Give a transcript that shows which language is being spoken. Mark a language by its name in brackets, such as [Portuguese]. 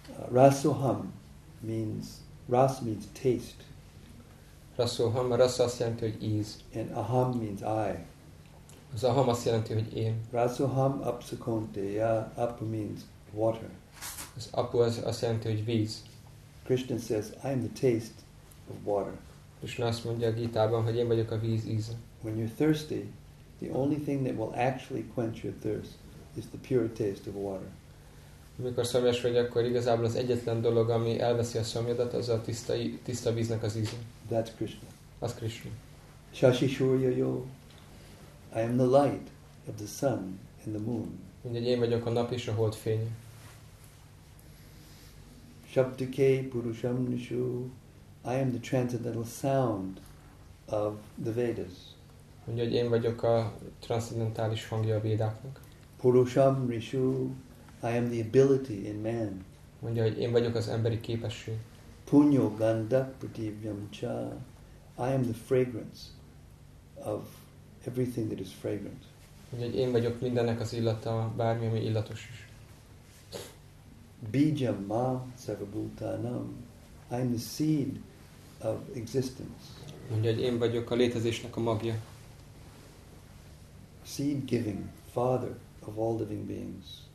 [English] Rasoham means, ras means taste. [Hungarian] Rasoham, rasa azt jelenti, hogy íz. [English] And aham means I. [Hungarian] Az aham azt jelenti, hogy én. [Sanskrit] Rasoham apsukonteya, [English] apu means water. [Hungarian] Az apu azt jelenti, hogy víz. [English] Krishna says, I am the taste of water. [Hungarian] Krishna azt mondja a Gitában, hogy én vagyok a víz íze. [English] When you're thirsty, the only thing that will actually quench your thirst is the pure taste of water. [Hungarian] Amikor szomjas vagy, akkor igazából az egyetlen dolog, ami elveszi a szomjadat, az a tiszta víznek az íze. [English] That's Krishna. [Hungarian] Az Krishna. [Sanskrit] Shashi Shuryayo, [English] I am the light of the sun and the moon. [Hungarian] Mindegy, én vagyok a nap és a hold fény. [Sanskrit] Shabdike Purusham Nishu, [English] I am the transcendental sound of the Vedas. [Hungarian] Mondja, hogy én vagyok a transzcendentális hangja a Védáknak. [Sanskrit] Purusham Rishu, [English] I am the ability in man. [Hungarian] Mondja, hogy én vagyok az emberi képesség. [Sanskrit] Punyo Gandak Pratibhyam Cha, [English] I am the fragrance of everything that is fragrant. [Hungarian] Mondja, hogy én vagyok mindennek az illata, bármi, ami illatos is. [Sanskrit] Bijam Ma Sarvabhutanam, [English] I am the seed of existence. [Hungarian] Mondja, hogy én vagyok a létezésnek a magja. [English] Seed giving father of all living beings.